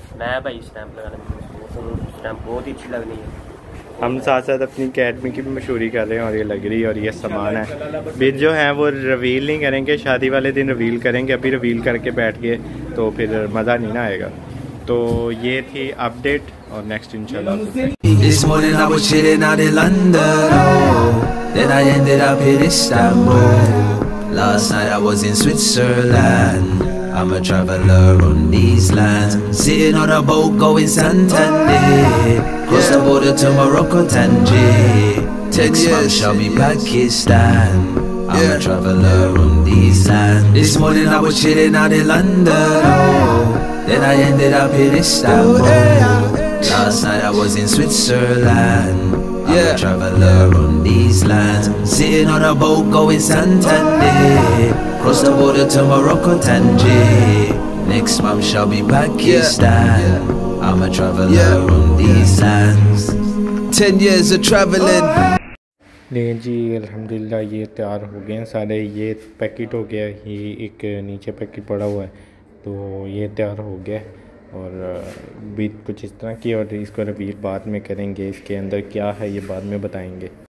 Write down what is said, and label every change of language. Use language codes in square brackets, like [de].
[hi] मैं भाई स्टैंप लगाने में स्टैंप बहुत ही अच्छी लग रही है, हम साथ साथ अपनी अकेडमी की भी मशहूरी कर रहे हैं, और ये लग रही है, और ये सामान है भी जो है वो रिवील नहीं करेंगे, शादी वाले दिन रिवील करेंगे, अभी रिवील करके बैठ गए तो फिर मज़ा नहीं ना आएगा। तो ये थी अपडेट, और नेक्स्ट इंशाल्लाह। [en] This morning I was chilling out in London, then I ended up in Istanbul. Last night I was in Switzerland, I'm a traveler on these lands. Sitting on a boat going Santander, cross the border to Morocco, Tangier. Text yes, mom shall be Pakistan, I'm a traveler on these lands. This morning I was chilling out in London, then I ended up in Istanbul. Last night I was in Switzerland, I'm a traveler on these lands. Sitting on a boat going Santander, cross the border to Morocco, Tangier. Next month shall be Pakistan, I'm a traveler on these lands. 10 years of traveling. [hi] नहीं जी, अल्हम्दुलिल्लाह ये तैयार हो गए हैं सारे, ये packet हो गया, ये एक नीचे पैकेट पड़ा हुआ है, तो ये तैयार हो गया, और भी कुछ इस तरह की, और इसको रिवील बाद में करेंगे, इसके अंदर क्या है ये बाद में बताएंगे।